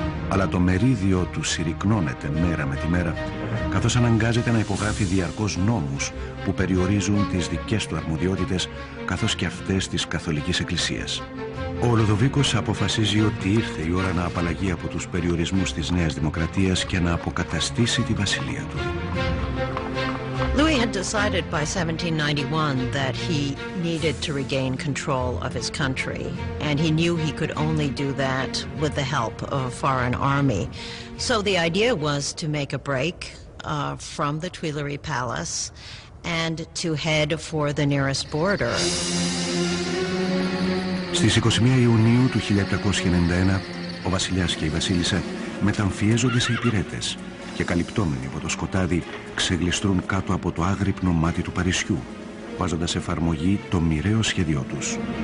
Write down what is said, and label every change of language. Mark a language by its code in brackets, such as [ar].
[el] Αλλά το μερίδιο του συρρυκνώνεται μέρα με τη μέρα, καθώς αναγκάζεται να υπογράφει διαρκώς νόμους που περιορίζουν τις δικές του αρμοδιότητες, καθώς και αυτές της Καθολικής Εκκλησίας. Ο Λοδοβίκος αποφασίζει ότι ήρθε η ώρα να απαλλαγεί από τους περιορισμούς της νέας δημοκρατίας και να αποκαταστήσει τη βασιλεία του. [en] Louis had decided by 1791 that he needed to regain control of his country, and he knew he could only do that with the help of a foreign army. So the idea was to make a break from the Tuileries Palace and to head for the nearest border. [el] Στις 21 Ιουνίου του 1791, ο βασιλιάς και η βασίλισσα μεταμφιέζονται σε υπηρέτες και καλυπτόμενοι από το σκοτάδι ξεγλιστρούν κάτω από το άγρυπνο μάτι του Παρισιού, βάζοντας εφαρμογή το μοιραίο σχέδιό τους.